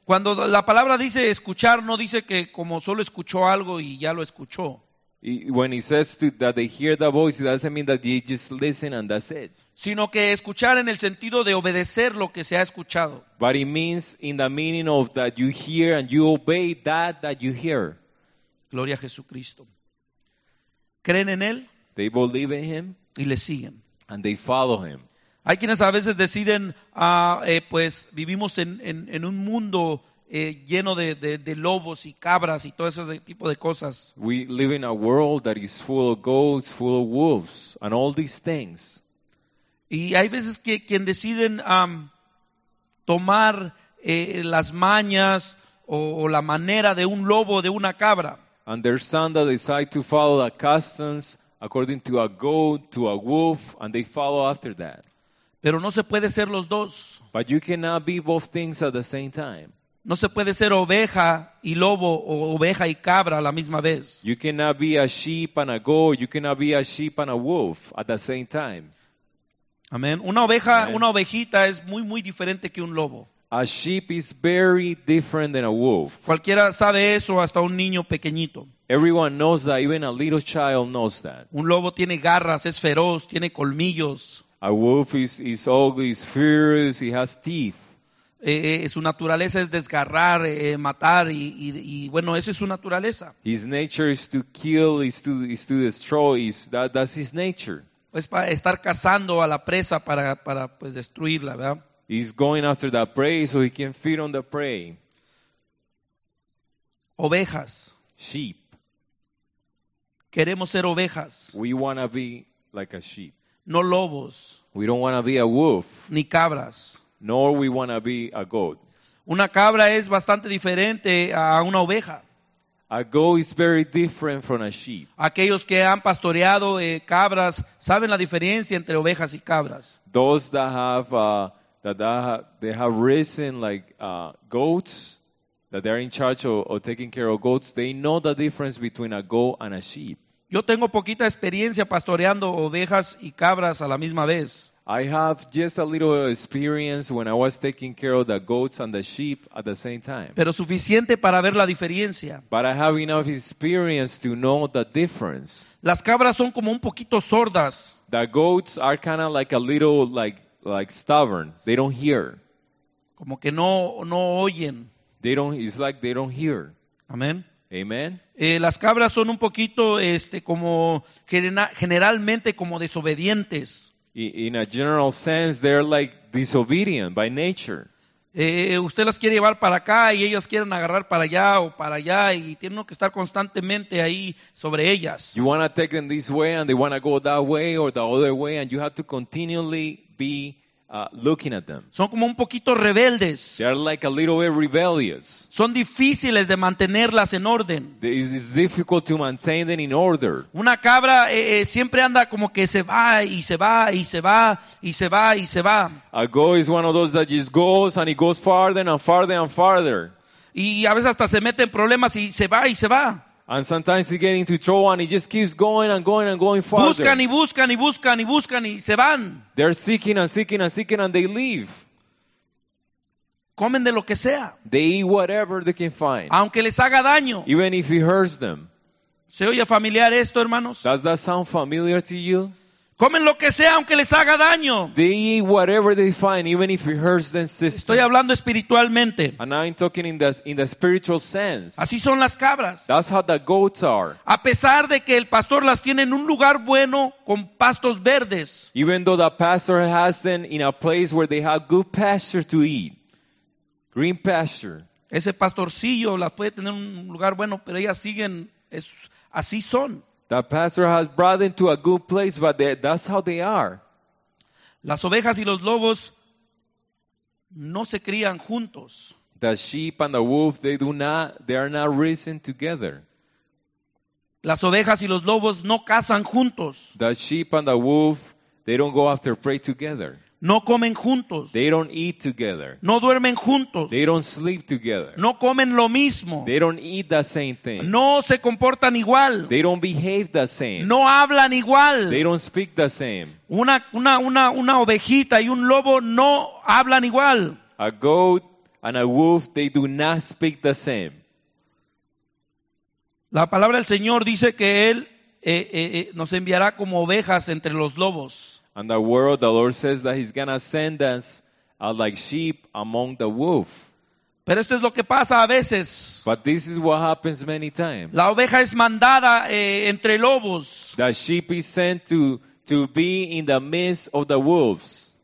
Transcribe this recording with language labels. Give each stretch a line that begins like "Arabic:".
Spanish: Cuando la palabra dice escuchar, no dice que como solo escuchó algo y ya lo escuchó.
English: When he says that they hear the voice, it doesn't mean that they just listen and that's it.
Spanish: Sino que escuchar en el sentido de obedecer lo que se ha escuchado.
English: But it means in the meaning of that you hear and you obey that you hear.
Spanish: Gloria a Jesucristo. Creen en él.
English: They believe in him.
Spanish: Y le siguen.
English: And they follow him.
Spanish: Hay quienes a veces deciden, pues vivimos en un mundo lleno de lobos y cabras y todo ese tipo de cosas.
English: We live in a world that is full of goats, full of wolves, and all these things.
Spanish: Y hay veces que quien deciden tomar las mañas o la manera de un lobo o de una cabra.
English: And there's some that decide to follow the customs according to a goat, to a wolf, and they follow after that.
Spanish: Pero no se puede ser los dos.
English: But you cannot be both things at the same time.
Spanish: No se puede ser oveja y lobo o oveja y cabra a la misma vez.
English: You cannot be a sheep and a goat. You cannot be a sheep and a wolf at the same time.
Spanish: Amen. Una oveja, Amen. Una ovejita es muy, muy diferente que un lobo.
English: A sheep is very different than a wolf.
Spanish: Cualquiera sabe eso, hasta un niño pequeñito.
English: Everyone knows that. Even a little child knows that.
Spanish: Un lobo tiene garras, es feroz, tiene colmillos.
English: A wolf is ugly, is furious, he has teeth.
Spanish: Su naturaleza es desgarrar, matar, y bueno, esa es su naturaleza.
English: His nature is to kill, is to destroy, that's his nature.
Spanish: Pues para estar cazando a la presa para pues destruirla, ¿verdad?
English: He's going after the prey so he can feed on the prey.
Spanish: Ovejas.
English: Sheep.
Spanish: Queremos ser ovejas.
English: We want to be like a sheep.
Spanish: No lobos.
English: We don't want to be a wolf.
Spanish: Ni cabras.
English: Nor we want to be a goat.
Spanish: Una cabra es bastante diferente a una oveja.
English: A goat is very different from a sheep.
Spanish: Aquellos que han pastoreado cabras saben la diferencia entre ovejas y cabras.
English: Those that have risen like goats, that they're in charge of taking care of goats, they know the difference between a goat and a sheep.
Spanish: Yo tengo poquita experiencia pastoreando ovejas y cabras a la misma vez.
English: I have just a little experience when I was taking care of the goats and the sheep at the same time.
Spanish: Pero suficiente para ver la diferencia.
English: But I have enough experience to know the difference.
Spanish: Las cabras son como un poquito sordas.
English: The goats are kind of like a little like stubborn. They don't hear.
Spanish: Como que no oyen.
English: They don't. It's like they don't hear.
Spanish: Amen.
English: Amen.
Spanish: Las cabras son un poquito, como generalmente como desobedientes.
English: In a general sense, they're like disobedient by nature.
Spanish: Usted las quiere llevar para acá y ellas quieren agarrar para allá o para allá y tienen que estar constantemente ahí sobre ellas.
English: You want to take them this way and they want to go that way or the other way and you have to continually be looking at them.
Spanish: Son como un poquito rebeldes.
English: They are like a little bit rebellious.
Spanish: Son difíciles de mantenerlas en orden.
English: It's difficult to maintain them in order.
Spanish: Una cabra siempre anda como que se va y se va y se va y se va y se va.
English: A goat is one of those that just goes and it goes farther and farther and farther.
Spanish: Y a veces hasta se mete en problemas y se va y se va.
English: And sometimes he gets into trouble and he just keeps going and going and going farther.
Spanish: Buscan y buscan y buscan y buscan y se van.
English: They're seeking and seeking and seeking and they leave.
Spanish: Comen de lo que sea.
English: They eat whatever they can find.
Spanish: Aunque les haga daño.
English: Even if it hurts them.
Spanish: ¿Se oye familiar esto, hermanos?
English: Does that sound familiar to you?
Spanish: Comen lo que sea aunque les haga daño.
English: They eat whatever they find, even if it hurts them.
Spanish: Estoy hablando espiritualmente.
English: And I'm talking in the spiritual sense.
Spanish: Así son las cabras.
English: That's how the goats are.
Spanish: A pesar de que el pastor las tiene en un lugar bueno con pastos verdes.
English: Even though the pastor has them in a place where they have good pasture to eat. Green pasture.
Spanish: Ese pastorcillo las puede tener en un lugar bueno, pero ellas siguen, así son.
English: The pastor has brought them to a good place, but that's how they are.
Spanish: Las ovejas y los lobos no se crían juntos.
English: The sheep and the wolf, they are not raising together.
Spanish: Las ovejas y los lobos no cazan juntos.
English: The sheep and the wolf, they don't go after prey together.
Spanish: No comen juntos.
English: They don't eat together.
Spanish: No duermen juntos.
English: They don't sleep together.
Spanish: No comen lo mismo.
English: They don't eat the same thing.
Spanish: No se comportan igual.
English: They don't behave the same.
Spanish: No hablan igual.
English: They don't speak the same.
Spanish: Una ovejita y un lobo no hablan igual.
English: A goat and a wolf, they do not speak the same.
Spanish: La palabra del Señor dice que Él nos enviará como ovejas entre los lobos.
English: And the word of the Lord says that he's going to send us like sheep among the wolf.
Spanish: Pero esto es lo que pasa a veces.
English: But this is what happens many times.
Spanish: La oveja es mandada entre lobos.
English: The sheep is sent to be in the midst of the wolves.